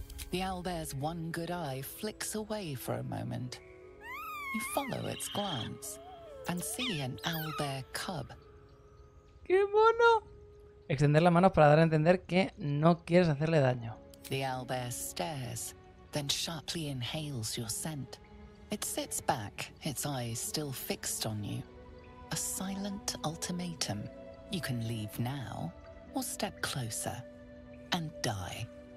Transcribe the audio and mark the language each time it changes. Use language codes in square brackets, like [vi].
[en] The owlbear's one good eye flicks away for a moment. You follow its glance and see an owlbear cub. [es] ¡Qué mono! Extender las manos para dar a entender que no quieres hacerle daño. [en] The owlbear stares, then sharply inhales your scent. It sits back, its eyes still fixed on you. A silent ultimatum. You can leave now, or step closer, and die.